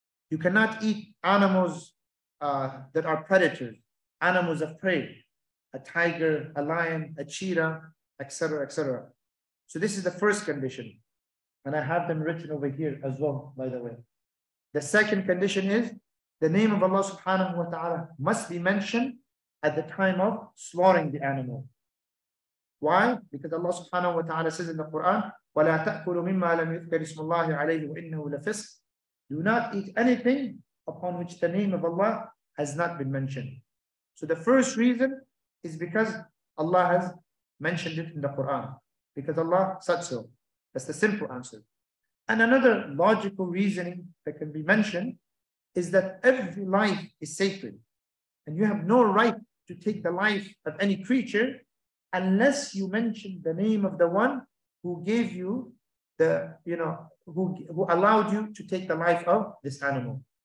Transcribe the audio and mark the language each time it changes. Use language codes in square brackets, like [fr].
[en] You cannot eat animals that are predators, animals of prey, a tiger, a lion, a cheetah, etc., etc. So this is the first condition. And I have them written over here as well, by the way. The second condition is the name of Allah subhanahu wa ta'ala must be mentioned at the time of slaughtering the animal. Why? Because Allah subhanahu wa ta'ala says in the Quran, [ar] وَلَا تَأْكُلُوا مِمَّا لَمْ يُذْكَرِ اسْمُ اللَّهِ عَلَيْهِ وَإِنَّهُ لَفِسْقٌ. [en] Do not eat anything upon which the name of Allah has not been mentioned. So the first reason is because Allah has mentioned it in the Quran, because Allah said so. That's the simple answer. And another logical reasoning that can be mentioned is that every life is sacred, and you have no right to take the life of any creature unless you mention the name of the one who gave you the, you know, who allowed you to take the life of this animal.